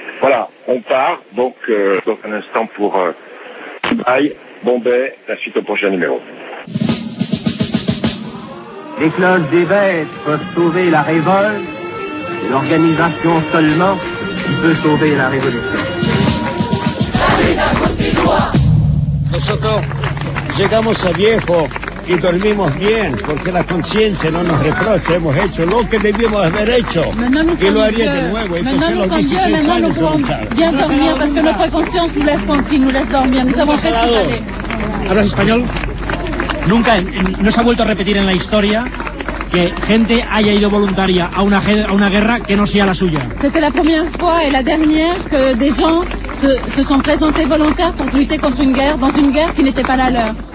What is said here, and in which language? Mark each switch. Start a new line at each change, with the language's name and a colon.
French: Voilà, on part donc dans un instant pour Dubaï, Bombay, la suite au prochain numéro. Les cloches des bêtes peuvent sauver la révolte, et l'organisation seulement qui peut sauver la révolution.
Spanish: Nosotros llegamos a viejo. Y dormimos bien, porque la conciencia no nos reprocha, hemos hecho lo que debíamos haber hecho. Y lo haría de nuevo.
French: Maintenant nous sommes vieux, maintenant nous pouvons bien dormir, parce que notre conscience nous laisse tranquille, nous laisse dormir. Nous avons fait ce qu'il fallait.
Spanish: ¿Hablas español? Nunca, no se ha vuelto a repetir en la historia que gente haya ido voluntaria a una guerra que no sea la suya.
French: C'était la première fois et la dernière que des gens se sont présentés volontaires pour lutter contre une guerre dans une guerre qui n'était pas la leur.